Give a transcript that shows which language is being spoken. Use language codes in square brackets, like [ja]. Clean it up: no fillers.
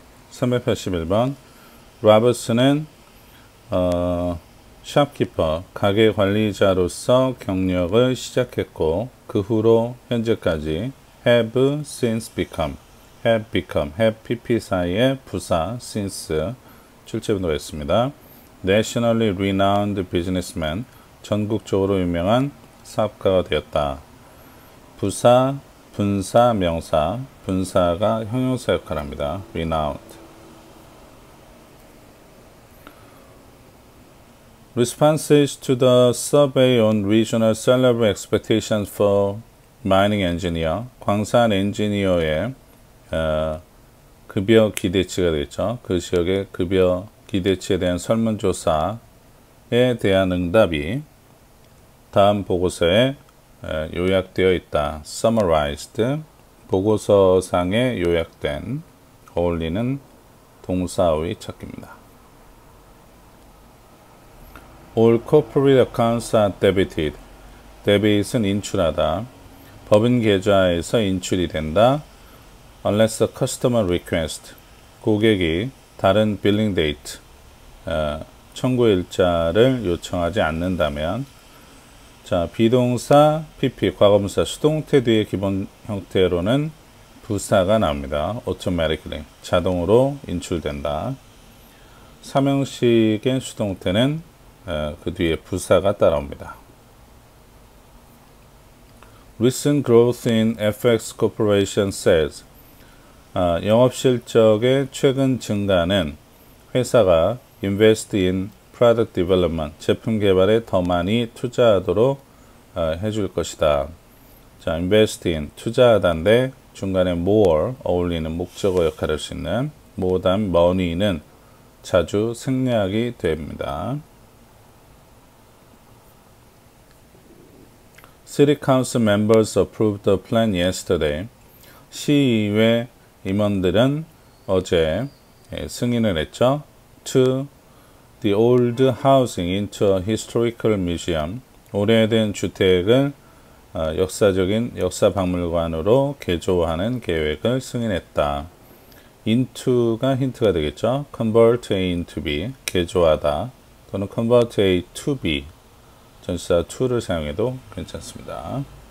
[ko] 381번 로버슨은 샵키퍼, 가게 관리자로서 경력을 시작했고 그 후로 현재까지 [en] have since become, have become, have pp [ko] 사이의 부사 since 출제문으로 했습니다. [en] Nationally renowned businessman, [ko] 전국적으로 유명한 사업가가 되었다. 부사, 분사, 명사, 분사가 형용사 역할을 합니다. [en] renowned. Responses to the survey on regional salary expectations for mining engineer, [ko] 광산 엔지니어의 급여 기대치가 되겠죠. 그 지역의 급여 기대치에 대한 설문조사에 대한 응답이 다음 보고서에 요약되어 있다. Summarized, 보고서상에 요약된 어울리는 동사의 찾기입니다. [en] All corporate accounts are debited. [ko] Debit은 인출하다. 법인 계좌에서 인출이 된다. [en] Unless a customer request. [ko] 고객이 다른 billing date, 청구 일자를 요청하지 않는다면. 자, 비동사 PP, 과거분사 수동태 뒤의 기본 형태로는 부사가 나옵니다. Automatically, 자동으로 인출된다. 삼형식의 수동태는 그 뒤에 부사가 따라옵니다. [en] Recent growth in FX Corporation sales. [ko] 영업실적의 최근 증가는 회사가 [en] invest in product development, [ko] 제품 개발에 더 많이 투자하도록 해줄 것이다. 자, invest in, 투자하다인데 중간에 more, 어울리는 목적어 역할할 수 있는 [en] more than money [ko] 는 자주 생략이 됩니다. [en] City Council members approved the plan yesterday. [ko] 시의회 임원들은 어제 승인을 했죠. [en] To the old housing into a historical museum. [ko] 오래된 주택을 역사적인 역사 박물관으로 개조하는 계획을 승인했다. Into가 힌트가 되겠죠. [en] Convert A into B, [ko] 개조하다. 또는 [en] Convert A to B. [ko] 전시사 2를 사용해도 괜찮습니다.